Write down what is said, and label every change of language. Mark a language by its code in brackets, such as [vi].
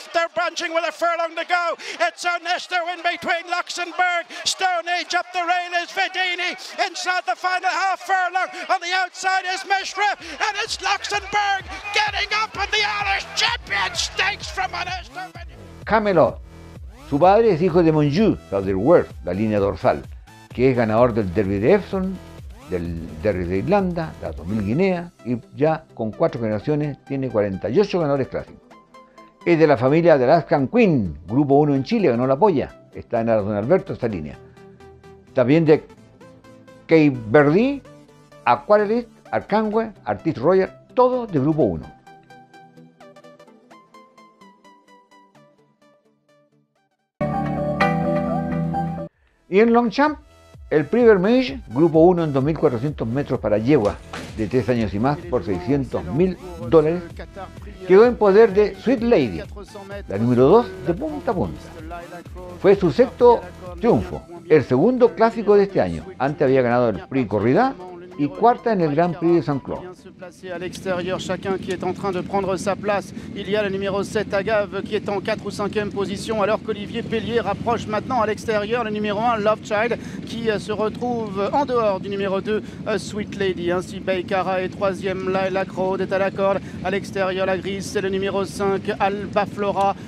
[en] They're bunching with a furlong to go. It's Ernesto in between Luxemburg, Stone Age up the rail is Vedini. Inside the final half furlong on the outside is Mishriff, and it's Luxemburg getting up in the Irish Champion Stakes from Ernesto. [es] Camelot, Su padre es hijo de Monju Saddleworth, la línea dorsal, que es ganador del Derby de Epsom, del Derby de Irlanda, la 2000 Guinea, y ya con 4 generaciones tiene 48 ganadores clásicos. Es de la familia de Alaskan Queen, grupo 1 en Chile, ganó la polla. Está en Don Alberto esta línea. También de Cape Verde, Aquarelist, Arcangue, Artist Royal, todo de grupo 1. Y en Longchamp, el Privet Mage, grupo 1 en 2400 metros para yegua de 3 años y más por $600,000, quedó en poder de Sweet Lady, la número 2 de punta a punta. Fue su sexto triunfo, el segundo clásico de este año. Antes había ganado el Prix Corrida y cuarta en el Gran Prix de Saint-Cloud. [fr] Bien se place à l'extérieur, chacun qui est en train de prendre sa place. Il y a le numéro 7 Agave qui est en 4 ou 5e position, alors qu'Olivier Pellier rapproche maintenant à l'extérieur le numéro 1 Love Child qui se retrouve en dehors du numéro 2 Sweet Lady. Ainsi, Baykara est 3e, Laila Crowd est à la corde. À l'extérieur, la grise, c'est le numéro 5 Alba Flora.